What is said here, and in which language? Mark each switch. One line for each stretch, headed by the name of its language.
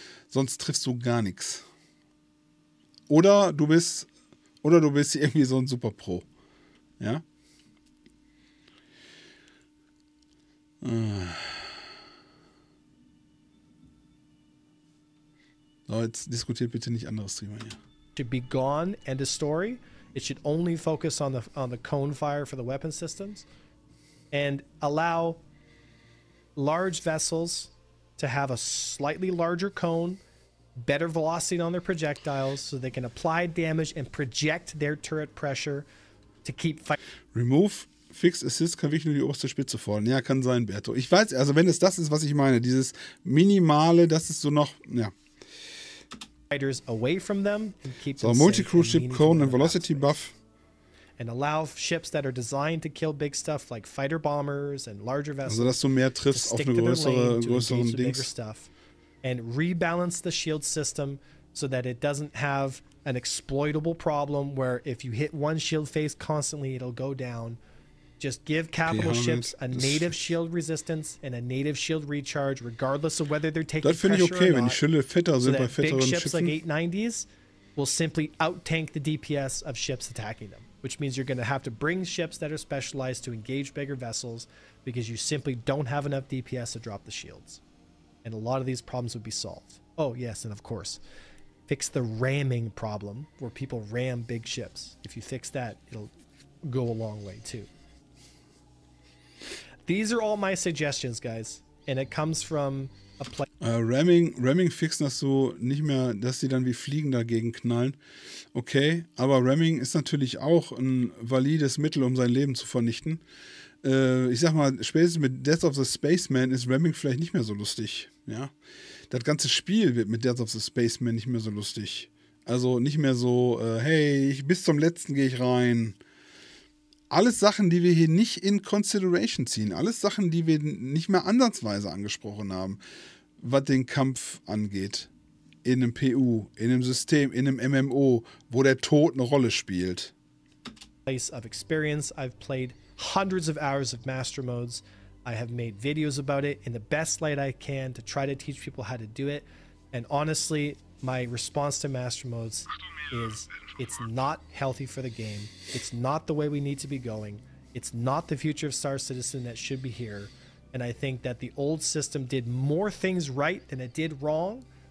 German: Sonst triffst du gar nichts. Oder du bist irgendwie so ein Super Pro. Ja? So, jetzt diskutiert bitte nicht andere Streamer hier.
English: To be gone and a story, it should only focus on the cone fire for the weapon systems and allow large vessels to have a slightly larger cone, better velocity on their projectiles so they can apply damage and project their turret pressure to keep fight. Remove Fix Assist
German: kann wirklich nur die oberste Spitze fordern. Ja, kann sein, Berto. Ich weiß, also wenn es das ist, was ich meine, dieses Minimale, das ist so noch, ja.
English: Away from them and keep so, Multi-Crew Ship Cone and Velocity Buff. And allow ships that are designed to kill big stuff like fighter bombers and larger vessels.
German: Also, dass du mehr triffst auf eine größeren Dings.
English: Stuff and rebalance the shield system so that it doesn't have an exploitable problem where if you hit one shield face constantly, it'll go down. Just give capital ships a native shield resistance and a native shield recharge, regardless of whether they're taking pressure or not.
German: Das finde ich okay, wenn die Schilde fitter sind bei fetteren Schiffen.
English: Big ships like 890s will simply outtank the DPS of ships attacking them, which means you're going to have to bring ships that are specialized to engage bigger vessels because you simply don't have enough DPS to drop the shields. And a lot of these problems would be solved. Oh, yes, and of course, fix the ramming problem where people ram big ships. If you fix that, it'll go a long way too. These are all my suggestions, guys, and it comes from a place.
German: Ramming fixen, dass du nicht mehr, dass sie dann wie Fliegen dagegen knallen. Okay, aber Ramming ist natürlich auch ein valides Mittel, um sein Leben zu vernichten. Ich sag mal, spätestens mit Death of the Spaceman ist Ramming vielleicht nicht mehr so lustig. Ja, das ganze Spiel wird mit Death of the Spaceman nicht mehr so lustig. Also nicht mehr so, hey, bis zum Letzten gehe ich rein. Alles Sachen, die wir hier nicht in Consideration ziehen. Alles Sachen, die wir nicht mehr ansatzweise angesprochen haben, was den Kampf angeht. In einem PU, in einem System, in einem MMO, wo der Tod eine Rolle spielt.
English: Place of experience. I've played hundreds of hours of Master Modes. I have made videos about it in the best light I can to try to teach people how to do it. And honestly, my response to Master Modes is... It's not healthy for the game. It's not the way we need to be going. It's not the future of Star Citizen that should be here. And I think that the old system did more things right than it did wrong.